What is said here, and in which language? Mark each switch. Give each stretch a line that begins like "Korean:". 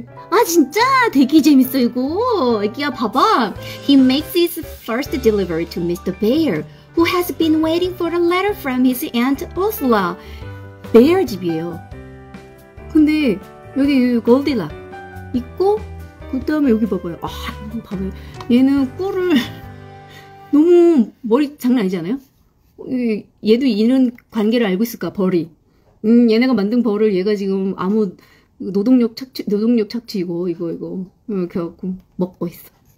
Korean: 아 진짜 되게 재밌어 이거. 여기야 봐봐.
English: He makes his first delivery to Mr. Bear, who has been waiting for a letter from his aunt Ursula.
Korean: 베어 집이에요. 근데 여기 골딜라 있고 그다음에 여기 봐봐요. 아 봐봐요. 얘는 꿀을 너무 머리 장난 아니지 않아요? 얘도 이런 관계를 알고 있을까? 벌이. 얘네가 만든 벌을 얘가 지금 아무 노동력 착취 이거 이렇게 해갖고 먹고 있어.